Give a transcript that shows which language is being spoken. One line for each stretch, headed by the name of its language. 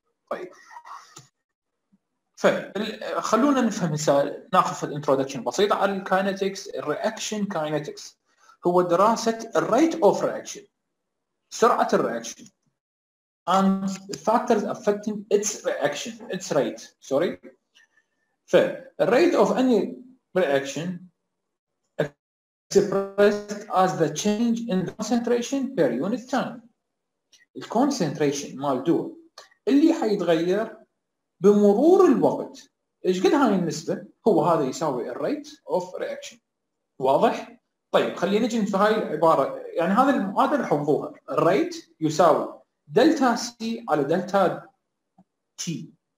Arabic: طيب خلونا نفهم مثال، ناخذ الانترودكشن بسيط على الكاينتكس. الرياكشن كاينتكس هو دراسه الريت اوف رياكشن، سرعه الرياكشن،
English: and factors affecting its reaction its rate sorry. ف rate of any reaction suppressed as the change in concentration per unit time.
Arabic: The concentration مال دواء اللي حيتغير بمرور الوقت ايش قد هاي النسبة هو هذا يساوي the rate of reaction. واضح؟ طيب خلينا نجي في هاي عبارة يعني هذا المعادة نحفظوها rate يساوي دلتا سي على دلتا تي.